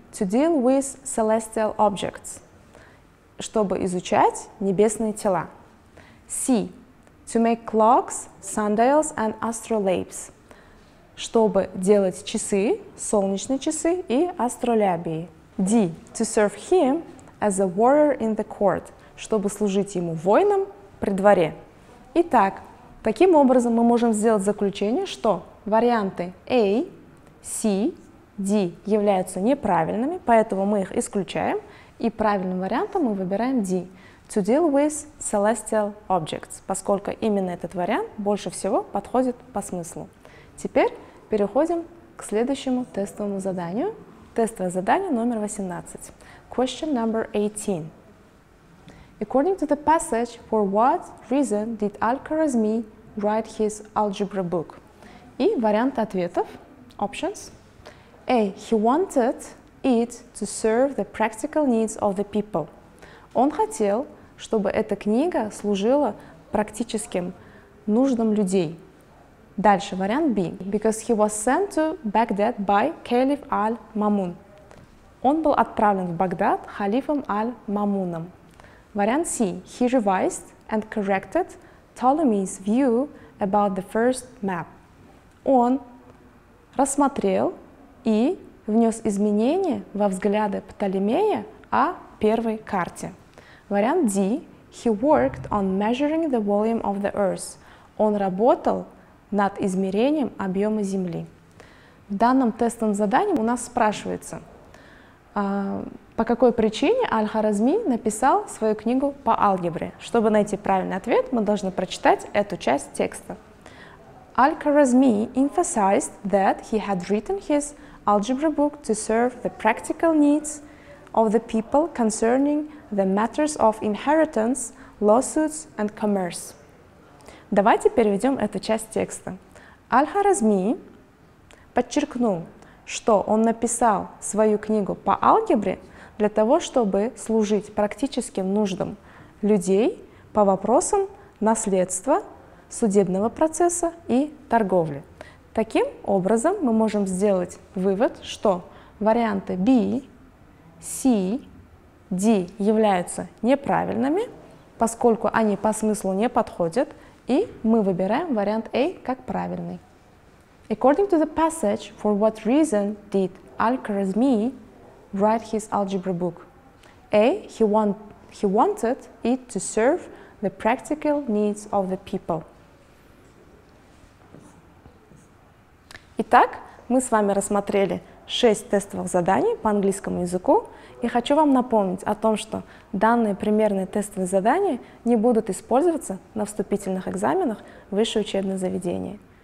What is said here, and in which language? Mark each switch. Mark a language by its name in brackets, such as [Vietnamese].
[English] To deal with celestial objects. [Russian] Чтобы изучать небесные тела. [English] C. To make clocks, sundials and astrolabes. [Russian] Чтобы делать часы, солнечные часы и астролябии. [English] D. To serve him as a warrior in the court. [Russian] Чтобы служить ему воином при дворе. Итак, таким образом мы можем сделать заключение, что варианты A, C, D являются неправильными, поэтому мы их исключаем, и правильным вариантом мы выбираем D. [English] To deal with celestial objects, [Russian] поскольку именно этот вариант больше всего подходит по смыслу. Теперь переходим к следующему тестовому заданию. Тестовое задание номер 18. [English] Question number 18. According to the passage, for what reason did Al-Khwarizmi write his algebra book? [Russian] И варианты ответов. Options. A. [English] He wanted it to serve the practical needs of the people. [Russian] Он хотел, чтобы эта книга служила практическим нуждам людей. Дальше вариант B. [English] Because he was sent to Baghdad by Caliph al-Mamun. [Russian] Он был отправлен в Багдад халифом аль-Мамуном. Вариант C. [English] He revised and corrected Ptolemy's view about the first map. [Russian] Он рассмотрел и внес изменения во взгляды Птолемея о первой карте. Вариант D. [English] He worked on measuring the volume of the earth. [Russian] Он работал над измерением объема Земли. В данном тестовом задании у нас спрашивается, по какой причине Аль-Хорезми написал свою книгу по алгебре. Чтобы найти правильный ответ, мы должны прочитать эту часть текста. [English] Al-Khwarizmi emphasized that he had written his algebra book to serve the practical needs of the people concerning the matters of inheritance, lawsuits and commerce. [Russian] Давайте переведем эту часть текста. Al-Khwarizmi подчеркнул, что он написал свою книгу по алгебре для того, чтобы служить практическим нуждам людей по вопросам наследства, судебного процесса и торговли. Таким образом, мы можем сделать вывод, что варианты B, C, D являются неправильными, поскольку они по смыслу не подходят, и мы выбираем вариант A как правильный. [English] According to the passage, for what reason did Al-Khwarizmi write his algebra book? A. He wanted it to serve the practical needs of the people. [Russian] Итак, мы с вами рассмотрели 6 тестовых заданий по английскому языку. И хочу вам напомнить о том, что данные примерные тестовые задания не будут использоваться на вступительных экзаменах в высшее учебное заведение.